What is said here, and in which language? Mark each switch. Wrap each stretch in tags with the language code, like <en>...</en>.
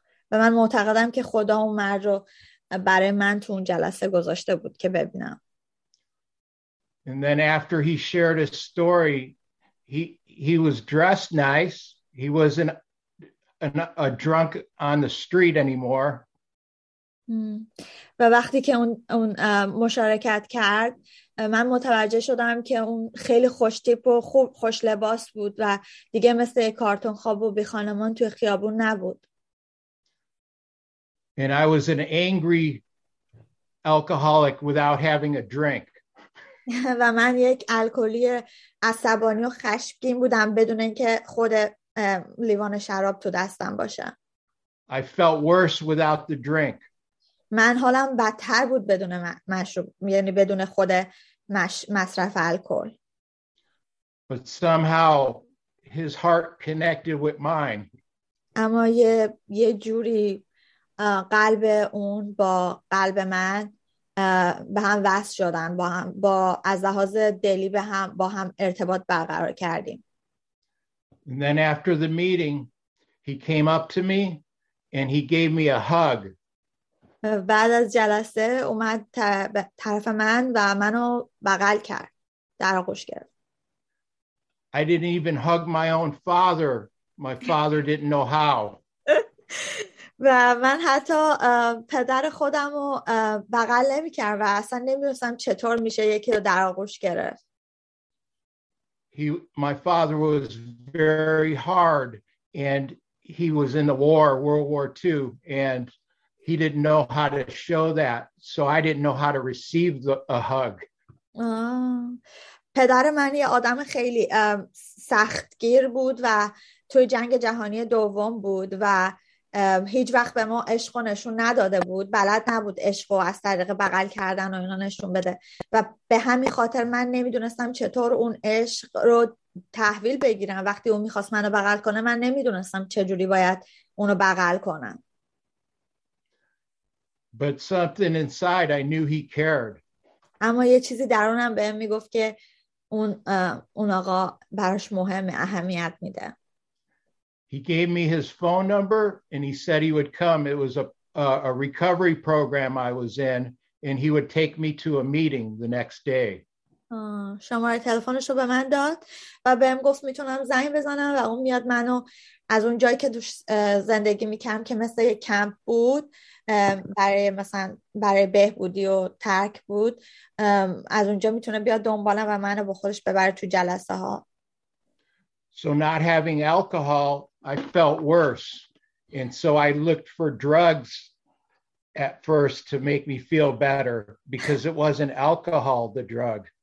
<fa>و من معتقدم که خدا اون مرد رو برای من تو اون جلسه گذاشته بود که ببینم.</fa> <en>And then after he shared his story, he was dressed nice. He wasn't a drunk on the street anymore.</en> <fa>و وقتی که اون مشارکت کرد من متوجه شدم که اون خیلی خوشتیپ و خوش لباس بود و دیگه مثل کارتون خواب و بی خانمان توی خیابون نبود.</fa> <en>And I was an angry alcoholic without having a drink.</en> <fa>و من یک الکلی عصبانی و خشمگین بودم بدون اینکه خود لیوان شراب تو دستم باشه.</fa> <en>I felt worse without the drink.</en> <fa>من حالم بدتر بود بدون مشروب، یعنی بدون خود مصرف الکل.</fa> <en>But somehow his heart connected with mine.</en> <fa>اما یه جوری قلب اون با قلب من به هم وصل شدن، با از لحاظ دلی به هم با هم ارتباط برقرار کردیم.</fa> <en>And then after the meeting he came up to me and he gave me a hug.</en> <fa>بعد از جلسه اومد طرف من و منو بغل کرد، در آغوش گرفت.</fa> <en>I didn't even hug my own father. My father didn't know how.</en> <fa>و من حتی پدر خودم رو بغل نمی کرد و اصلا نمی دونستم چطور میشه یکی رو در آغوش گرفت.</fa> <en>My father was very hard and he was in the war, World War II, and he didn't know how to show that, so I didn't know how to receive a hug.</en> <fa>پدر من یه آدم خیلی سختگیر بود و توی جنگ جهانی دوم بود و هیچ وقت به ما عشق نشون نداده بود، بلد نبود عشق و از طریق بغل کردن و اینا نشون بده و به همین خاطر من نمیدونستم چطور اون عشق رو تحویل بگیرم. وقتی اون میخواست منو بغل کنه من نمیدونستم چجوری باید اونو بغل کنم.</fa> <en>But something inside I knew he cared.</en> <fa>اما یه چیزی درونم به هم میگفت که اون آقا براش مهمه، اهمیت میده.</fa> <en>He gave me his phone number and he said he would come. It was a recovery program I was in and he would take me to a meeting the next day.</en> <fa>شماره تلفنش رو به من داد و بهم گفت میتونم زنگ بزنم و اون میاد منو از اون جایی که دوش زندگی میکردم که مثل یک کمپ بود برای مثلا برای بهبودی و ترک بود، از اونجا میتونه بیاد دنبالم و منو با خودش ببره تو جلسه ها.</fa> <en>So not having alcohol, I felt worse. And so I looked for drugs at first to make me feel better because it wasn't alcohol, the drug.</en>